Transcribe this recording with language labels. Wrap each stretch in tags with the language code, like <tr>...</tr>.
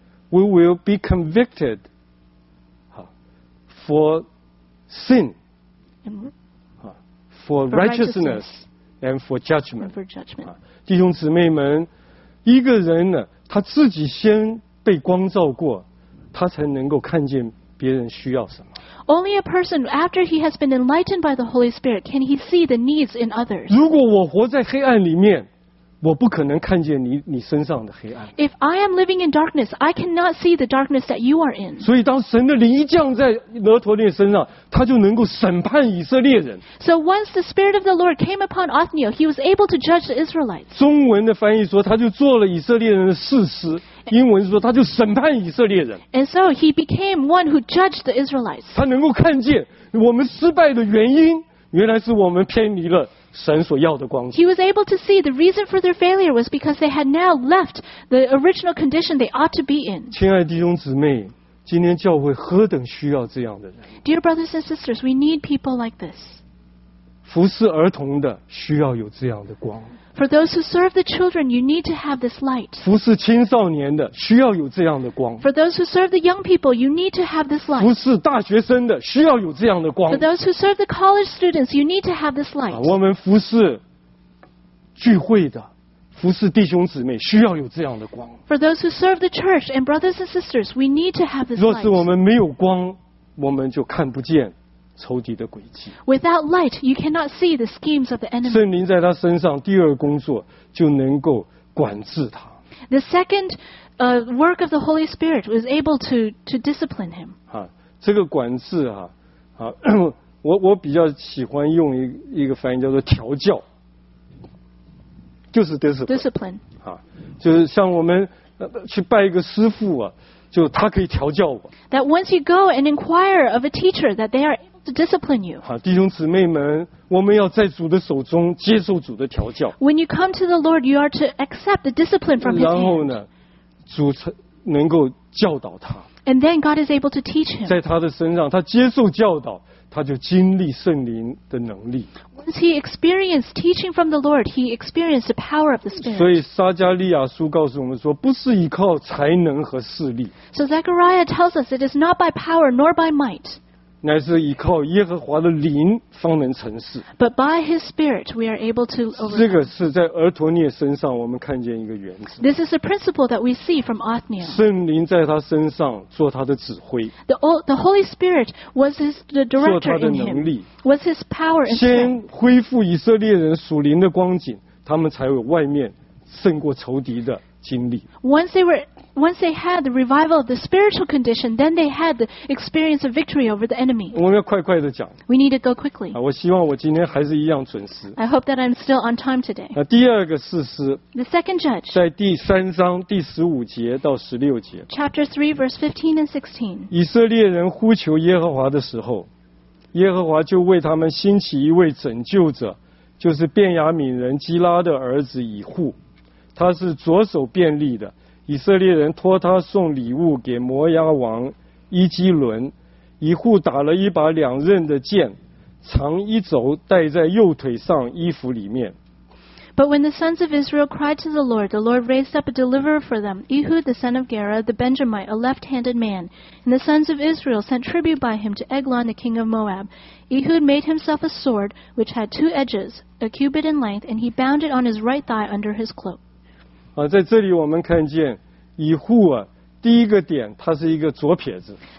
<en>We will be convicted for sin, for righteousness, and for judgment. For judgment.</en> <zh>弟兄姊妹们，一个人呢，他自己先被光照过，他才能够看见别人需要什么。</zh> <en>Only a person after he has been enlightened by the Holy Spirit can he see the needs in others.</en> <zh>如果我活在黑暗里面，我不可能看见你身上的黑暗。</zh> <en>If I am living in darkness, I cannot see the darkness that you are in.</en> <zh>所以当神的灵一降在俄陀涅身上，他就能够审判以色列人。</zh> <en>So once the Spirit of the Lord came upon Othniel, he was able to judge the Israelites.</en> <zh>中文的翻译说，他就做了以色列人的士师。英文说，他就审判以色列人。</zh> <en>And so he became one who judged the Israelites.</en> <zh>他能够看见我们失败的原因，原来是我们偏离了神所要的光照。</zh> <en>He was able to see the reason for their failure was because they had now left the original condition they ought to be in.</en> <zh>亲爱的弟兄姊妹，今天教会何等需要这样的人。</zh> <en>Dear brothers and sisters, we need people like this.</en> <zh>服侍儿童的需要有这样的光。</zh> <en>For those who serve the children, you need to have this light.</en> <zh>服侍青少年的需要有这样的光。</zh> <en>For those who serve the young people, you need to have this light.</en> <zh>服侍大学生的需要有这样的光。</zh> <en>For those who serve the college students, you need to have this light.</en> <zh>我们服侍聚会的服侍弟兄姊妹需要有这样的光。</zh> <en>For those who serve the church and brothers and sisters, we need to have this light.</en> <zh>若是我们没有光，我们就看不见仇敌的诡计。</zh> <en>Without light, you cannot see the schemes of the enemy.</en> <zh>圣灵在他身上第二工作就能够管制他。</zh> <en>The second work of the Holy Spirit was able to discipline him.</en> <zh>啊，这个管制啊，啊，我比较喜欢用一个翻译叫做调教。就是 discipline 啊，就是像我们去拜一个师父啊，就他可以调教我。</zh> <en>That once you go and inquire of a teacher, that they are able to discipline you.</en> <zh>啊，弟兄姊妹们，我们要在主的手中接受主的调教。</zh> <en>When you come to the Lord, you are to accept the discipline from His hand.</en> <zh>然后呢，主能够教导他。</zh> <en>And then God is able to teach him.</en> <zh>在他的身上，他接受教导。他就经历圣灵的能力。</zh> <en>Once he experienced teaching from the Lord, he experienced the power of the Spirit.</en> <zh>所以撒迦利亚书告诉我们说，不是依靠才能和势力。</zh> <en>So Zechariah tells us it is not by power nor by might.</en> <zh>乃是依靠耶和华的灵方能成事。</zh> <en>But by his Spirit we are able to overcome.</en> <zh>这个是在俄陀涅身上我们看见一个原则。</zh> <en>This is a principle that we see from Othniel.</en> <zh>圣灵在他身上做他的指挥。</zh> <en>The Holy Spirit was his director in him.</en> <zh>做他的能力。</zh> <en>Was his power in him.</en> <zh>先恢复以色列人属灵的光景，他们才有外面胜过仇敌的经历。</zh> <en>Once they had the revival of the spiritual condition, then they had the experience of victory over the enemy.</en> <zh>我们要快快地讲。</zh> <en>We need to go quickly.</en> <zh>我希望我今天还是一样准时。</zh> <en>I hope that I'm still on time today.</en> <zh>第二个士师。</zh> <en>The second judge.</en> <zh>在第三章第十五节到十六节。</zh> <en>Chapter 3, verse 15 and 16.</en> <zh>以色列人呼求耶和华的时候，耶和华就为他们兴起一位拯救者，就是便雅悯人基拉的儿子以户，他是左手便利的。以色列人托他送礼物给摩押王伊基伦，以户打了一把两刃的剑，长一轴，戴在右腿上衣服里面。</zh> <en>But when the sons of Israel cried to the Lord raised up a deliverer for them, Ehud the son of Gera, the Benjamite, a left-handed man. And the sons of Israel sent tribute by him to Eglon, the king of Moab. Ehud made himself a sword which had two edges, a cubit in length, and he bound it on his right thigh under his cloak.</en> <zh>啊，在这里我们看见以户啊，第一个点他是一个左撇子。</zh>